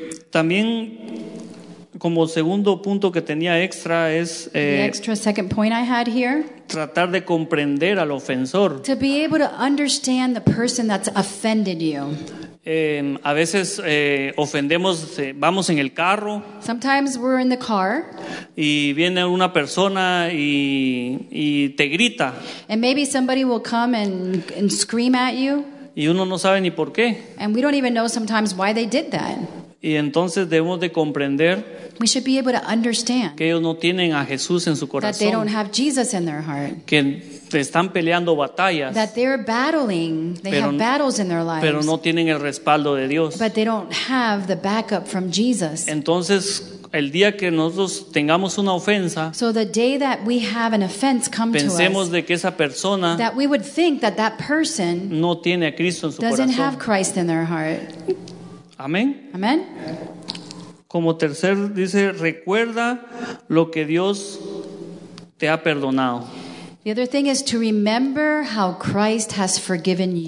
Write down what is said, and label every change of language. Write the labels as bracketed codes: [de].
[es] También, como segundo punto que tenía extra es. [en] The extra second point I had here. [es] Tratar de comprender al ofensor. [en] To be able to understand the person that's offended you. [es] A veces ofendemos, vamos en el carro. [en] Sometimes we're in the car. [es] Y viene una persona y te grita. [en] And maybe somebody will come and scream at you. [es] Y uno no sabe ni por qué. [en] And we don't even know sometimes why they did that. [es] Y entonces debemos de comprender. [en] We should be able to understand [es] que ellos no tienen a Jesús en su corazón. [en] That they don't have Jesus in their heart. [es] Que están peleando batallas. [en] That they're battling. They [es] pero, [en] have battles in their lives. [es] Pero no tienen el respaldo de Dios. [en] But they don't have the backup from Jesus. [es] Entonces, el día que nosotros tengamos una ofensa, [en] so the day that we have an offense come to us, [es] pensemos de que esa persona [en] that we would think that that person [es] no tiene a Cristo en su [en] doesn't [es] corazón. [en] Have Christ in their heart. [es] Amén. [en] Amen. [es] Como tercer dice, recuerda lo que Dios te ha perdonado. [en] The other thing is to remember how Christ has forgiven you.